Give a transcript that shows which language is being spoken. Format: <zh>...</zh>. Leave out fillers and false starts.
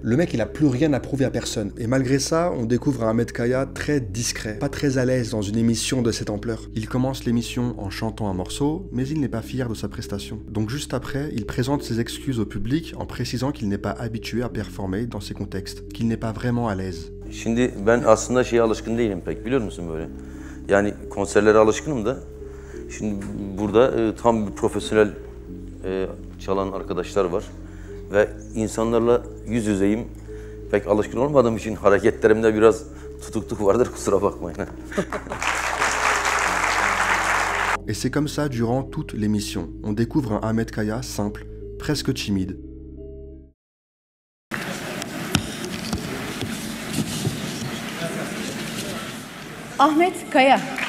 <fr>Le mec, il a plus rien à prouver à personne. Et malgré ça, on découvre un Ahmed Kaya très discret, pas très à l'aise dans une émission de cette ampleur. Il commence l'émission en chantant un morceau, mais il n'est pas fier de sa prestation. Donc juste après, il présente ses excuses au public en précisant qu'il n'est pas habitué à performer dans ces contextes, qu'il n'est pas vraiment à l'aise.</fr> <tr>Şimdi ben aslında şeye alışkın değilim pek, biliyor musun böyle? Yani konserlere alışkınım da. Şimdi burada tam bir profesyonel çalan arkadaşlar var ve insanlarla yüz yüzeyim. Pek alışkın olmadığım için hareketlerimde biraz tutukluk vardır, kusura bakmayın.</tr> <fr>Et c'est comme ça durant toute l'émission. On découvre un Ahmed Kaya simple, presque timide. Ahmed Kaya.</fr>